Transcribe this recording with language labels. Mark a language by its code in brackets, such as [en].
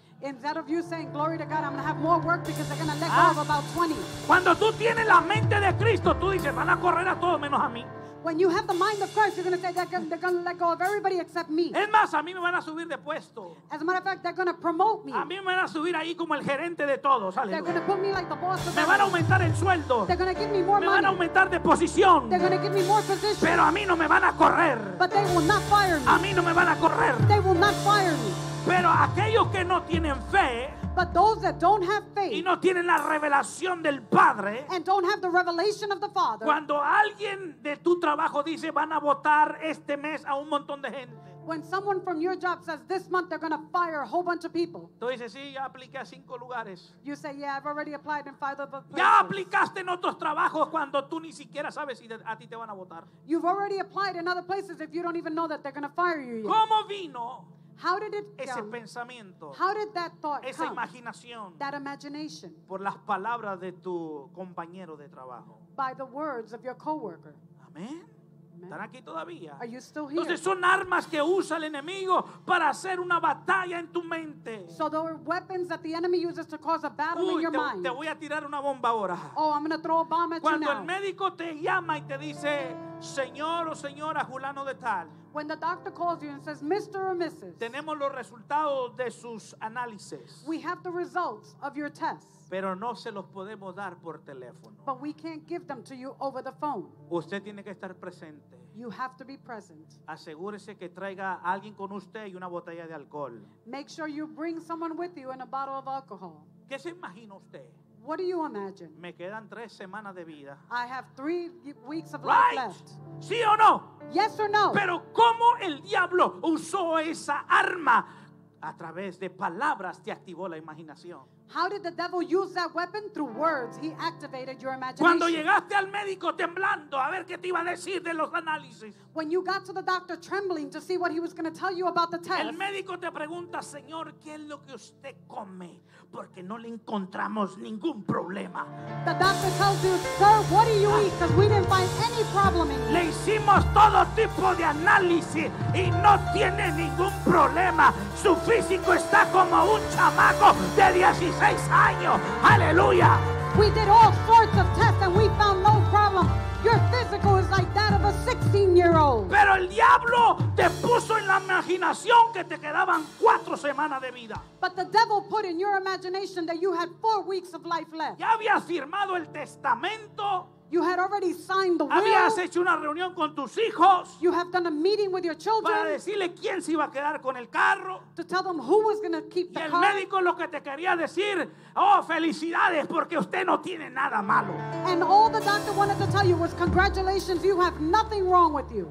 [en] Instead of you saying, glory to God, I'm going to have more work because they're going to let go of about 20. [es] Cuando tú tienes la mente de Cristo, tú dices, van a correr a todos menos a mí. [en] When you have the mind of Christ, you're going to say, they're going to let go of everybody except me. [es] Es más, a mí me van a subir de puesto. [en] As a matter of fact, they're going to promote me. [es] A mí me van a subir ahí como el gerente de todos. Aleluya. [en] They're going to put me like the boss of [es] me van a aumentar el sueldo. [en] They're going to give me more [es] me [en] money. [es] Me van a aumentar de posición. [en] They're going to give me more position. [es] Pero a mí no me van a correr. [en] But they will not fire me. [es] A mí no me van a correr. [en] They will not fire me. [es] Pero aquellos que no tienen fe, [en] but those that don't have faith, [es] y no tienen la revelación del Padre, [en] and don't have the revelation of the Father, [es] cuando alguien de tu trabajo dice van a votar este mes a un montón de gente, [en] when someone from your job says this month they're going to fire a whole bunch of people, [es] tú dices, sí, ya apliqué a cinco lugares. [en] You say, yeah, I've already applied in five other places. [es] Ya aplicaste en otros trabajos cuando tú ni siquiera sabes si a ti te van a votar. [en] You've already applied in other places if you don't even know that they're going to fire you yet. [es] ¿Cómo vino? [en] How did it come? [es] Ese pensamiento. [en] How did that thought [es] esa [en] come? [es] Imaginación. [en] That imagination. [es] Por las palabras de tu compañero de trabajo. [en] By the words of your coworker. [es] Amén. ¿Están aquí todavía? [en] Are you still here? [es] Entonces son armas que usa el enemigo para hacer una batalla en tu mente. [en] So there are weapons that the enemy uses to cause a battle in your mind. [es] Te voy a tirar una bomba ahora. [en] Oh, I'm going to throw a bomb at [es] cuando [en] you now. [es] Cuando el médico te llama y te dice, señor o señora fulano de tal. [en] When the doctor calls you and says, Mr. or Mrs. [es] Tenemos los resultados de sus análisis. [en] We have the results of your tests. [es] Pero no se los podemos dar por teléfono. [en] But we can't give them to you over the phone. [es] Usted tiene que estar presente. [en] You have to be present. [es] Asegúrese que traiga a alguien con usted y una botella de alcohol. [en] Make sure you bring someone with you and a bottle of alcohol. [es] ¿Qué se imagina usted? [en] What do you imagine? [es] Me quedan tres semanas de vida. [en] I have 3 weeks of right. life left. [es] ¿Sí o no? [en] Yes or no? [es] Pero ¿cómo el diablo usó esa arma? A través de palabras te activó la imaginación. [en] How did the devil use that weapon? Through words, he activated your imagination. [es] Cuando llegaste al médico temblando a ver qué te iba a decir de los análisis. [en] When you got to the doctor trembling to see what he was going to tell you about the test. [es] El médico te pregunta, señor, ¿qué es lo que usted come? Porque no le encontramos ningún problema. [en] The doctor tells you, sir, what do you eat? Because we didn't find any problem in you. [es] Le hicimos todo tipo de análisis y no tiene ningún problema. Su físico está como un chamaco de 16 años. Aleluya. [en] We did all sorts of tests and we found no problem. Your physical is like that of a 16-year-old. [es] Pero el diablo te puso en la imaginación que te quedaban 4 semanas de vida. [en] But the devil put in your imagination that you had 4 weeks of life left. [es] Ya habías firmado el testamento. [en] You had already signed the [es] habías [en] will. [es] Habías hecho una reunión con tus hijos. [en] You have done a meeting with your children. [es] Para decirle quién se iba a quedar con el carro. [en] To tell them who was going to keep [es] y [en] the car. [es] Y el médico lo que te quería decir, oh, felicidades, porque usted no tiene nada malo. [en] And all the doctor wanted to tell you was congratulations, you have nothing wrong with you.